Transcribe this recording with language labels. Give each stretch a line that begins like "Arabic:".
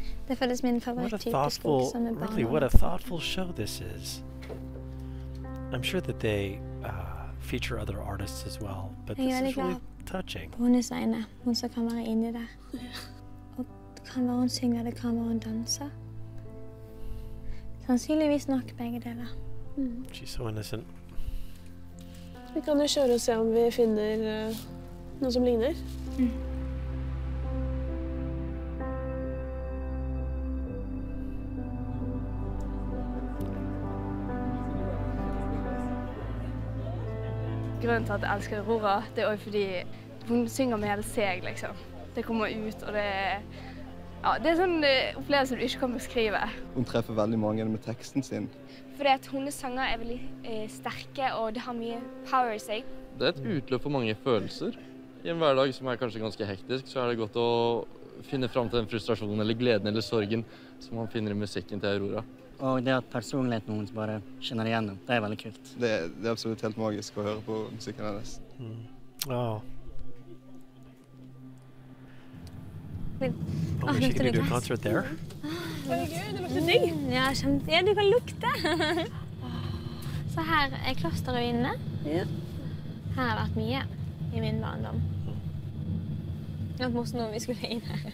English: What a thoughtful show this is. I'm sure that they feature other artists as well, but this is really touching.
Norwegian: Hun er seine. Hun skal komme her inn i det. Og kan være hun synger, det kan være hun danser. Sannsynligvis nok begge deler.
English: Mm. She's so innocent.
Norwegian: Vi kan jo kjøre og se om vi finner noe som ligner. Mm. Grunnen til at jeg elsker Aurora, det er også fordi hun synger med hele seg, liksom. Det kommer ut, og det er... Ja, det er sånn opplevelse du ikke kan beskrive. Hun treffer veldig mange med teksten sin. Fordi at hennes sanger er veldig sterke, og det har mye power i seg. Det er et utløp for mange følelser. I en hverdag som er kanskje ganske hektisk, så er det godt å finne fram til den frustrasjonen eller gleden eller sorgen som man finner i musikken til Aurora. Og det at personligheten hennes bare kjenner igjennom, det veldig kult. Det absolutt helt magisk å høre på musikken hennes.
English: Oh, we should do a concert there. Oh, yeah. Good. Yeah, you can
Norwegian: lukte.
English: So here is the cluster of
Norwegian: inne. Yeah.
English: Here has been a lot in my
Norwegian: barndom.
English: I thought most of us would go in here.